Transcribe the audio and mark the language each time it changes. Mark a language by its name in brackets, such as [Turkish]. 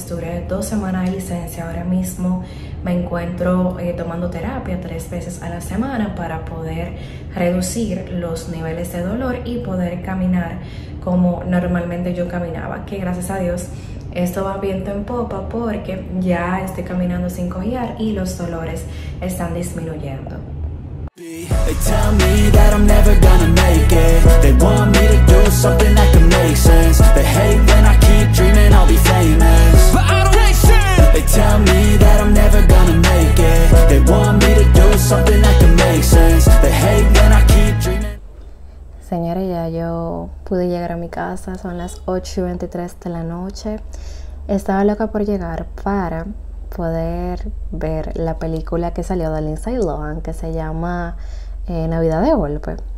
[Spanish] Estuve 2 semanas de licencia. Ahora mismo me encuentro tomando terapia 3 veces a la semana para poder reducir los niveles de dolor y poder caminar como normalmente yo caminaba, que gracias a Dios esto va viento en popa, porque ya estoy caminando sin cojear y los dolores están disminuyendo. [English] They tell me that I'm never gonna make it. They want me to do something that can make sense. They hate when I keep dreaming I'll be famous, but I don't make sense. They tell me that I'm never gonna make it. They want me to do something that can make sense. They hate when I keep dreaming. [Spanish] Señores, ya yo pude llegar a mi casa. Son las 8:23 de la noche. Estaba loca por llegar para poder ver la película que salió de Lindsay Lohan, que se llama Navidad de Golpe.